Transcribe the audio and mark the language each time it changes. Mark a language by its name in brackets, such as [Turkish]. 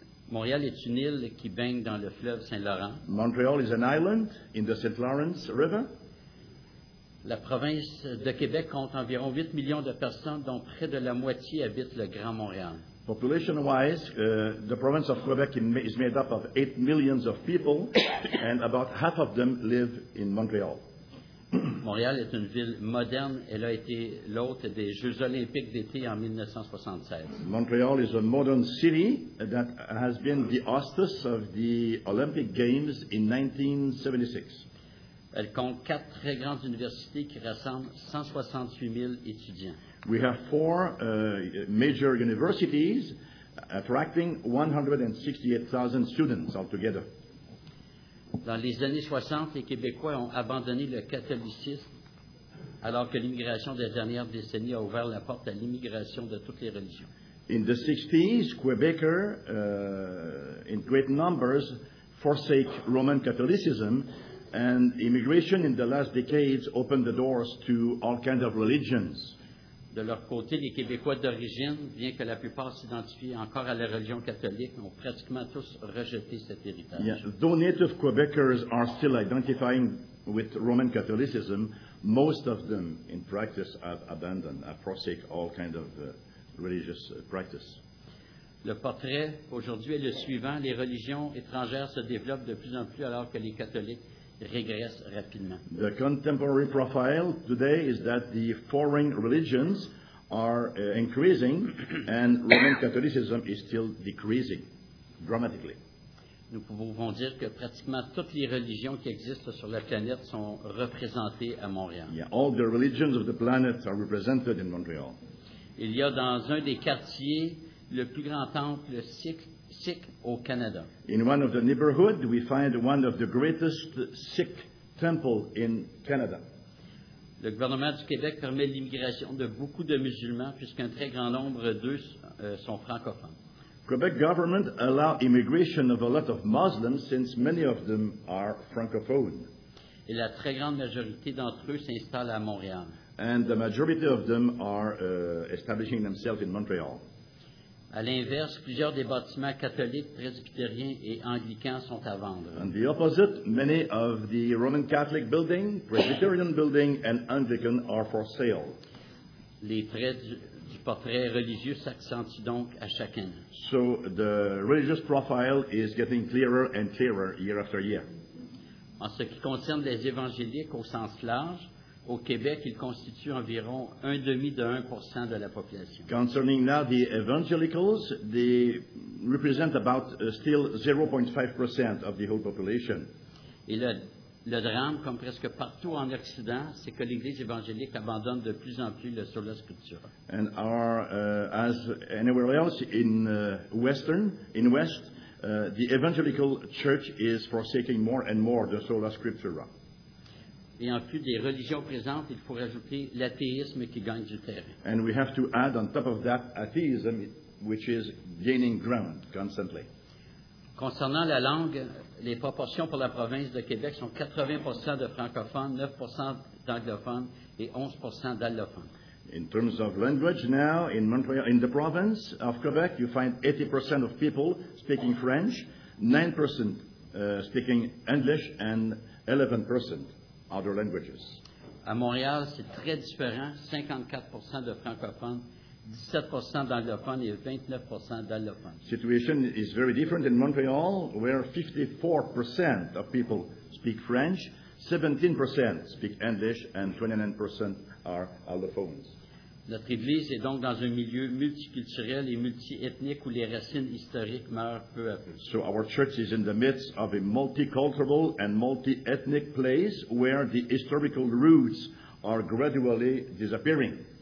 [French] Montréal est une île qui baigne dans le fleuve Saint-Laurent. [English] Montreal is an island in the St. Lawrence River. [French] La province de Québec compte environ 8 millions de personnes, dont près de la moitié habitent le Grand Montréal. [English] Population-wise, the province of Quebec is made up of 8 million of people, and about half of them live in Montreal. [French] Montréal est une ville moderne. Elle a été l'hôte des Jeux olympiques d'été en 1976. [English] Montreal is a modern city that has been the hostess of the Olympic Games in 1976. [French] Elle compte quatre très grandes universités qui rassemblent 168 000 étudiants. [English] We have four major universities attracting 168,000 students altogether. [French] Dans les années 60, les Québécois ont abandonné le catholicisme alors que l'immigration des dernières décennies a ouvert la porte à l'immigration de toutes les religions. [English] In the 60s, Quebecers, in great numbers, forsake Roman Catholicism, and immigration in the last decades opened the doors to all kinds of religions. [French] De leur côté, les Québécois d'origine, bien que la plupart s'identifient encore à la religion catholique, ont pratiquement tous rejeté cet héritage. [English] Yes. Though native Quebecers are still identifying with Roman Catholicism, most of them, in practice, have abandoned, have forsaken all kinds of religious practice. [French] Le portrait aujourd'hui est le suivant. Les religions étrangères se développent de plus en plus alors que les catholiques régresse rapidement. [English] The contemporary profile today is that the foreign religions are increasing and Roman Catholicism is still decreasing dramatically. [French] Nous pouvons dire que pratiquement toutes les religions qui existent sur la planète sont représentées à Montréal. [English] Yeah, all the religions of the planet are represented in Montreal. [French] Il y a dans un des quartiers le plus grand temple sikh. Sikh au Canada. [English] In one of the neighborhoods, we find one of the greatest Sikh temples in Canada. [French] Le gouvernement du Québec permet l'immigration de beaucoup de musulmans puisqu'un très grand nombre d'eux sont francophones. [English] Quebec government allows immigration of a lot of Muslims since many of them are francophones. [French] Et la très grande majorité d'entre eux s'installe à Montréal. [English] And the majority of them are establishing themselves in Montreal. [French] À l'inverse, plusieurs des bâtiments catholiques, presbytériens et anglicans sont à vendre. [English] On the opposite, many of the Roman Catholic buildings, Presbyterian buildings and Anglican are for sale. [French] Les traits du portrait religieux s'accentuent donc à chacun. [English] So the religious profile is getting clearer and clearer year after year. [French] En ce qui concerne les évangéliques au sens large, au Québec, ils constituent environ un demi de 1% de la population. [English] Concerning now the evangelicals, they represent about still 0.5% of the whole population. [French] Et le drame, comme presque partout en Occident, c'est que l'Église évangélique abandonne de plus en plus le sola scriptura. [English] And our, as anywhere else in West, the evangelical church is forsaking more and more the sola scriptura. [French] Et en plus des religions présentes, il faut rajouter l'athéisme qui gagne du terrain. [English] And we have to add on top of that atheism, which is gaining ground constantly. [French] Concernant la langue, les proportions pour la province de Québec sont 80% de francophones, 9% d'anglophones et 11% d'allophones. [English] In terms of language now, in Montreal, in the province of Quebec, you find 80% of people speaking French, 9% speaking English and 11% other languages. [French] À Montréal, c'est très différent, 54% de francophones 17% d'anglophones et 29% d'allophones. [English] Situation is very different in Montreal, where 54% of people speak French, 17% speak English, and 29% are allophones. [French] Notre église est donc dans un milieu multiculturel et multiethnique où les racines historiques meurent peu à peu. [English] So our church is in the midst of a multicultural and multiethnic place where the historical roots are gradually disappearing.